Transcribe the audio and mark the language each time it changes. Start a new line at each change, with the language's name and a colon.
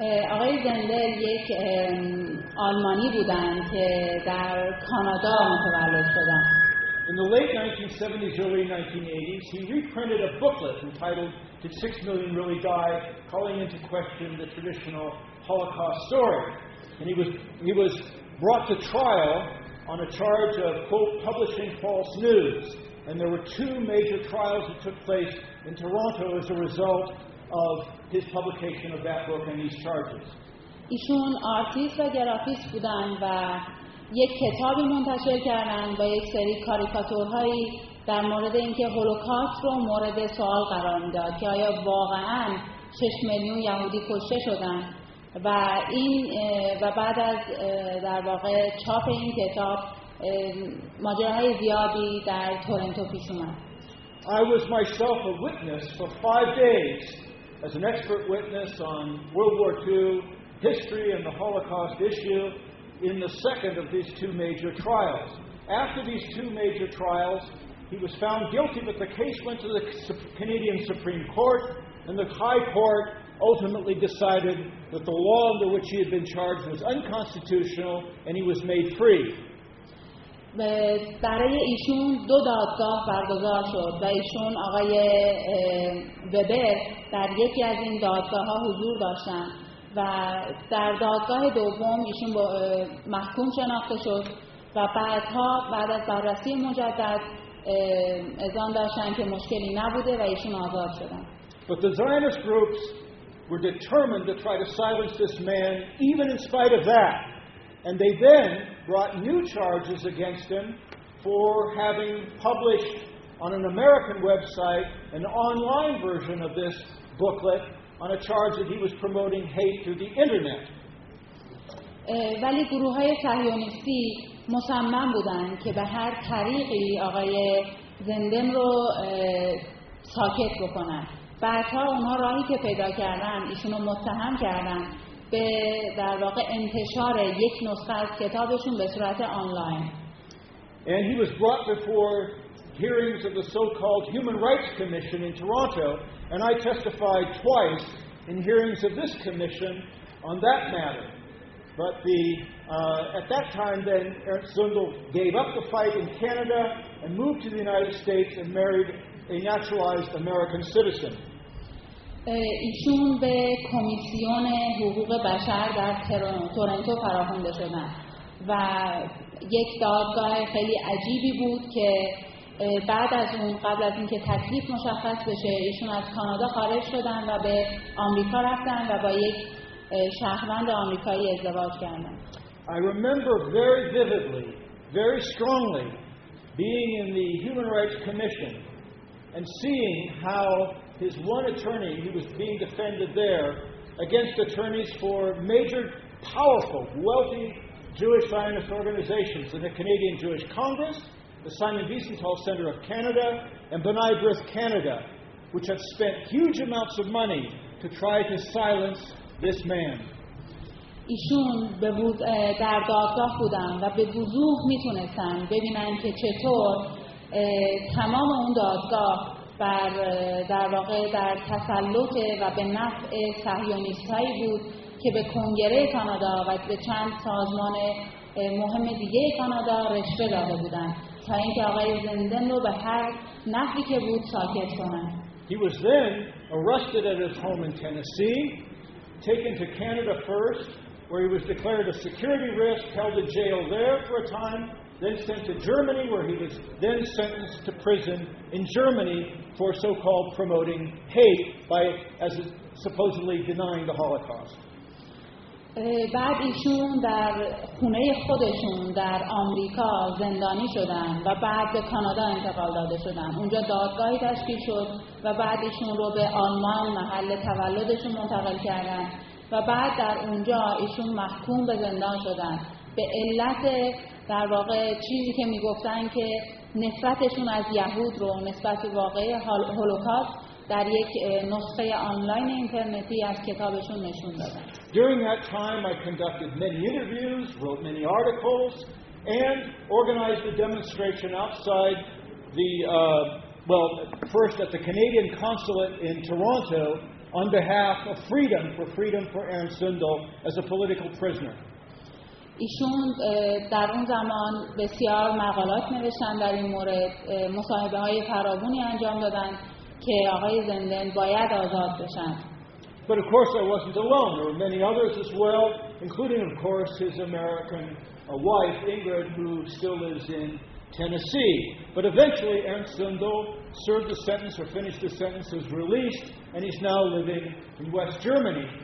Persian: آقای زندل یک آلمانی بودند که در کانادا متولد شدند.
English: In the late 1970s, early 1980s, he reprinted a booklet entitled Did 6 Million Really Die? Calling into question the traditional Holocaust story. And he was brought to trial on a charge of, quote, publishing false news. And there were two major trials that took place in Toronto as a result of his publication of that book and these charges.
Persian: ایشون آرتیست و گرافیست بودن و یک کتابی منتشر کردن با یک سری کاریکاتورهایی در مورد اینکه هولوکاست رو مورد سوال قرار میداد که آیا واقعا 6 میلیون یهودی کشته شدن و این و بعد از در واقع چاپ این کتاب ماجراهای زیادی در تورنتو پیش اومد.
English: I was myself a witness for 5 days as an expert witness on World War II history and the Holocaust issue in the second of these two major trials. After these two major trials, he was found guilty, but the case went to the Canadian Supreme Court, and the High Court ultimately decided that the law under which he had been charged was unconstitutional, and he was made free.
Persian: برای ایشون دو دادگاه برگزار شد و ایشون آقای وبر در یکی از این دادگاه ها حضور داشتن و در دادگاه دوم ایشون محکوم شناخته شد و بعد از بررسی مجدد اذعان داشتن که مشکلی نبوده و ایشون آزاد شدن.
English: But the Zionist groups were determined to try to silence this man even in spite of that. And they then brought new charges against him for having published on an American website an online version of this booklet on a charge that he was promoting hate through the internet.
Persian: ولی گروه‌های صهیونیستی مصمم بودند که به هر طریقی آقای زندل رو ساکت بکنند. بعدها اونها راهی که پیدا کردن ایشون رو متهم کردن به در واقع انتشار یک نسخه از کتابشون به صورت آنلاین.
English: And he was brought before hearings of the so-called Human Rights Commission in Toronto, and I testified twice in hearings of this commission on that matter. But the at that time, then, Ernst Zundel gave up the fight in Canada and moved to the United States and married a naturalized American citizen.
Persian: ایشون به کمیسیون حقوق بشر در تورنتو فراخوانده شدن و یک دادگاه خیلی عجیبی بود که بعد از اون قبل از اینکه تکلیف مشخص بشه ایشون از کانادا خارج شدن و به آمریکا رفتن و با یک شهروند آمریکایی ازدواج کردن.
English: I remember very vividly, very strongly being in the Human Rights Commission and seeing how his one attorney who was being defended there against attorneys for major, powerful, wealthy Jewish Zionist organizations in the Canadian Jewish Congress, the Simon Wiesenthal Center of Canada, and B'nai B'rith Canada, which have spent huge amounts of money to try to silence this man.
Persian: ایشون به بود در دادگاه بودن و به وضوح میتونستن ببینن که چطور تمام اون دادگاه بر در واقع در تسلط و به نفع صهیونیست‌هایی بود که به کنگره کانادا و به چند سازمان مهم دیگه کانادا رشوه داده بودن تا اینکه آقای زندن رو به هر نفعی که بود ساکت کنن.
English: He was then arrested at his home in Tennessee, taken to Canada first, where he was declared a security risk, held in jail there for a time, then sent to Germany, where he was then sentenced to prison in Germany for so-called promoting hate by, as supposedly, denying the Holocaust.
Persian: بعد ایشون در خونه خودشون در آمریکا زندانی شدن و بعد به کانادا انتقال داده شدن. اونجا دادگاهی تشکیل شد و بعد ایشون رو به آلمان محل تولدشون منتقل کردن و بعد در اونجا ایشون محکوم به زندان شدن به علت در واقع چیزی که میگفتن که نفرتشون از یهود رو نسبت به واقعه هولوکاست در یک نسخه آنلاین اینترنتی از کتابشون نشون دادن.
English: During that time I conducted many interviews, wrote many articles and organized a demonstration outside the well first at the Canadian consulate in Toronto on behalf of freedom for Ernst Zundel as a political prisoner.
Persian: ایشون در اون زمان بسیار مقالات نوشتن در این مورد مصاحبه های فراوانی انجام دادن که آقای زندن باید آزاد بشن.
English: But of course I wasn't alone. There were many others as well, including of course his American wife Ingrid, who still lives in Tennessee. But eventually Ernst Zundel served the sentence or finished the sentence, was released, and he's now living in West Germany.